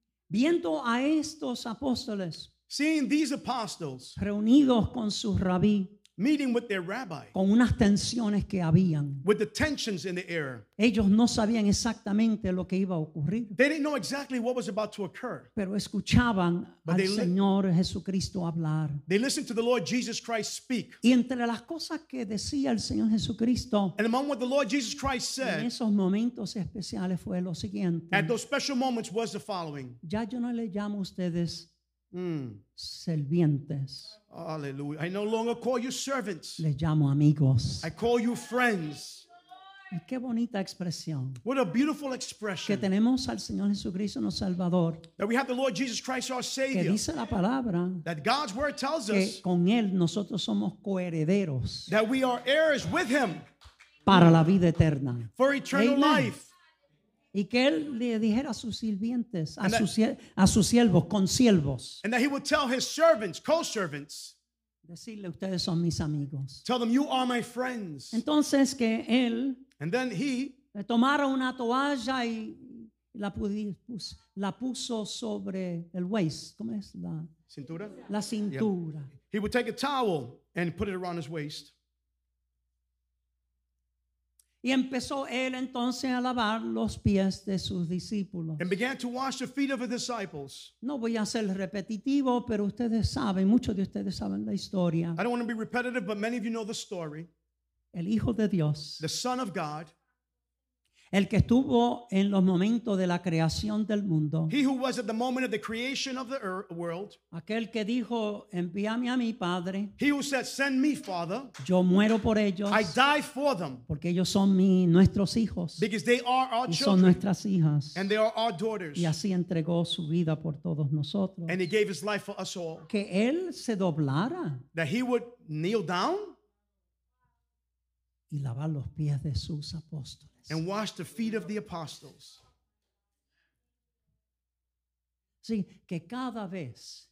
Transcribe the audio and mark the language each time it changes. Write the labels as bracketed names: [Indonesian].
[Spanish] Viendo a estos apóstoles, [English] seeing these apostles, [Spanish] reunidos con su rabí, [English] meeting with their rabbi. [Spanish] Con unas tensiones que habían. [English] With the tensions in the air. [Spanish] Ellos no sabían exactamente lo que iba a ocurrir. [English] They didn't know exactly what was about to occur. [Spanish] Pero escuchaban al Señor Jesucristo hablar. [English] They listened to the Lord Jesus Christ speak. [Spanish] Y entre las cosas que decía el Señor Jesucristo. [English] And among what the Lord Jesus Christ said. [Spanish] En esos momentos especiales fue lo siguiente. [English] At those special moments was the following. [Spanish] Ya yo no le llamo a ustedes servientes. [English] Hallelujah. I no longer call you servants. [Spanish] Les llamo amigos. [English] I call you friends. [Spanish] Y qué bonita expresión. [English] What a beautiful expression. [Spanish] Que tenemos al Señor Jesucristo, nuestro Salvador. [English] That we have the Lord Jesus Christ, our Savior. [Spanish] Que dice la palabra. [English] That God's word tells us. [Spanish] Que con él nosotros somos coherederos. [English] That we are heirs with him. [Spanish] Para la vida eterna. [English] For eternal Amen. Life. [Spanish] Y que él le dijera a sus sirvientes, a sus siervos, consiervos. [English] And that he would tell his servants, co-servants. [Spanish] Decirle, ustedes son mis amigos. [English] Tell them, you are my friends. [Spanish] Entonces que él. [English] And then he. [Spanish] Tomara una toalla y la puso sobre el waist. ¿Cómo es? La cintura. La cintura. Yeah. [English] He would take a towel and put it around his waist. [Spanish] Y empezó él entonces a lavar los pies de sus discípulos. [English] And began to wash the feet of his disciples. [Spanish] No voy a ser repetitivo, pero ustedes saben, muchos de ustedes saben la historia. [English] I don't want to be repetitive, but many of you know the story. [Spanish] El Hijo de Dios. [English] The Son of God. [Spanish] El que estuvo en los momentos de la creación del mundo. [English] He who was at the moment of the creation of the world. [Spanish] Aquel que dijo, envíame a mi Padre. [English] He who said, send me, Father. [Spanish] Yo muero por ellos. [English] I die for them. [Spanish] Porque ellos son nuestros hijos. [English] Because they are our [Spanish] y [English] children. [Spanish] Son nuestras hijas. [English] And they are our daughters. [Spanish] Y así entregó su vida por todos nosotros. [English] And he gave his life for us all. [Spanish] Que él se doblara. [English] That he would kneel down. [Spanish] Y lavar los pies de sus apóstoles. [English] And wash the feet of the apostles. [Spanish] Sí, que cada vez